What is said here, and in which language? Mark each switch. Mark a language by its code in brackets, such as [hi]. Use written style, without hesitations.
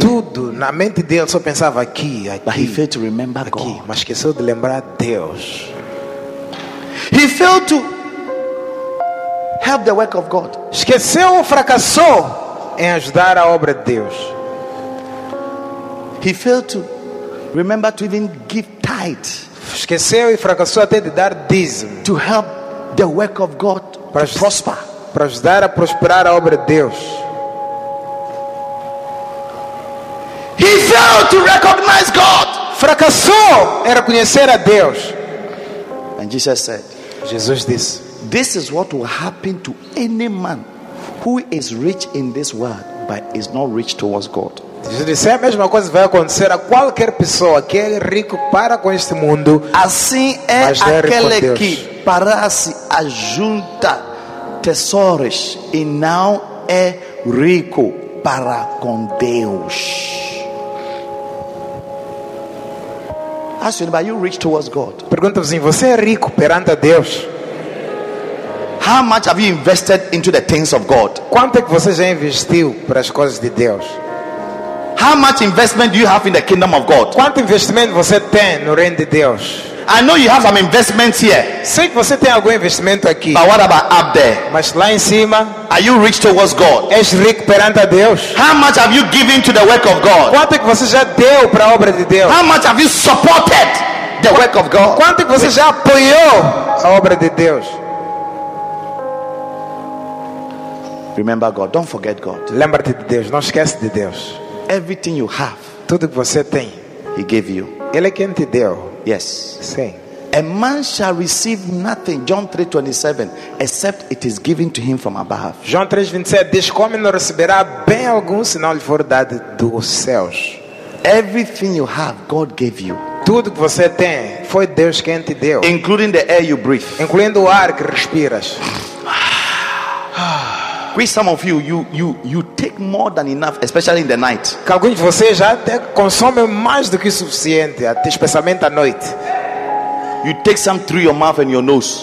[pt] Tudo na mente dele só pensava aqui, aqui. [en] But he failed to remember God. [pt] Mas esqueceu de lembrar Deus. [en] He failed to help the work of God. [pt] Esqueceu, fracassou em ajudar a obra de Deus. [en] He failed to remember to even give tithe. [pt] Esqueceu e fracassou até de dar dízimo. [en] To help the work of God [pt] para [en] to prosper. [pt] Para ajudar a prosperar a obra de Deus. [en] He failed to recognize God. [pt] Fracassou em reconhecer a Deus. [en] And Jesus said, [pt] Jesus disse, [en] this is what will happen to any man who is rich in this world but is not rich towards God. [pt] Jesus disse, a mesma coisa vai acontecer a qualquer pessoa que é rico para com este mundo. Assim é aquele que para se ajunta tesouros e não é rico para com Deus. [en] Ask you, are you rich towards God? [pt] Pergunta-vos, você é rico perante a Deus? [en] How much have you invested into the things of God? [pt] Quanto é que você já investiu para as coisas de Deus? [en] How much investment do you have in the kingdom of God? [pt] Quanto investimento você tem no reino de Deus? [en] I know you have some investments here. [pt] Sei que você tem algum investimento aqui. [en] But what about up there? [pt] Mas lá em cima, [en] are you rich towards God? [pt] És rico perante a Deus? [en] How much have you given to the work of God? [pt] Quanto é que você já deu para a obra de Deus? [en] How much have you supported the work of God? [pt] Quanto é que você já apoiou a obra de Deus? [en] Remember God. Don't forget God. [pt] Lembra-te de Deus. Não esquece de Deus. [en] Everything you have, [pt] tudo que você tem, [en] He gave you. [pt] Ele é quem te deu. [en] Yes. [pt] Sim. [en] A man shall receive nothing, John 3:27, except it is given to him from above. [pt] João 3:27 diz que o homem não receberá bem algum se não lhe for dado dos céus. [en] Everything you have, God gave you. [pt] Tudo que você tem foi Deus quem te deu. [en] Including the air you breathe. [pt] Incluindo o ar que respiras. [en] Which some of you you take more than enough, especially in the night. [pt] Alguns de vocês já até consomem mais do que o suficiente, até especialmente à noite. [en] You take some through your mouth and your nose.